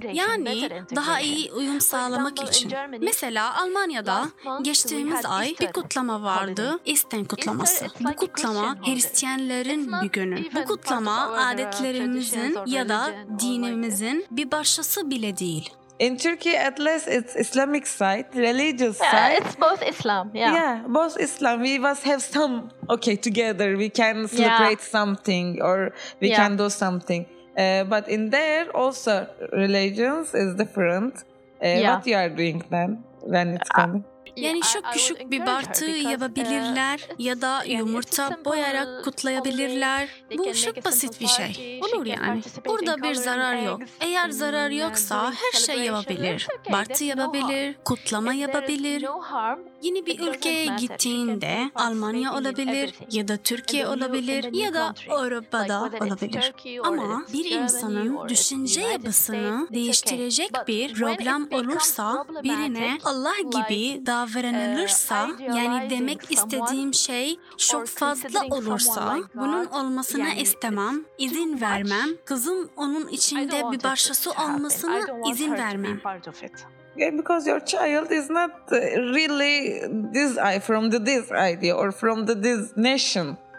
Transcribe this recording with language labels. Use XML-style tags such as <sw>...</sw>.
<tr>Yani daha iyi uyum sağlamak için. Mesela Almanya'da geçtiğimiz ay bir kutlama vardı, Easter kutlaması. Bu kutlama Hristiyanların bir günü. Bu kutlama adetlerimizin ya da dinimizin bir parçası bile değil.</tr> <en>In Turkey, at least it's Islamic side, religious side. Yeah, it's both Islam, yeah. Yeah, both Islam. We must have some, okay, together. We can celebrate something or we can do something. But in there, also, religions is different. What you are doing then, when it's coming?</en> <tr>Yani çok küçük bir bartı yapabilirler ya da yumurta boyarak kutlayabilirler. Bu çok basit bir şey. Olur yani. Burada bir zarar yok. Eğer zarar yoksa her şey yapabilir. Bartı yapabilir, kutlama yapabilir. Yeni bir ülkeye gittiğinde Almanya olabilir ya da Türkiye olabilir ya da Avrupa'da olabilir. Ama bir insanın düşünce yapısını değiştirecek bir problem olursa, birine Allah gibi davranılırsa, yani demek istediğim şey çok fazla olursa, bunun olmasına istemem, izin vermem, kızım onun içinde bir başkası olmasına izin vermem.</tr> <en>Yeah, because your child is not really this eye from the this idea or from the this nation.</en>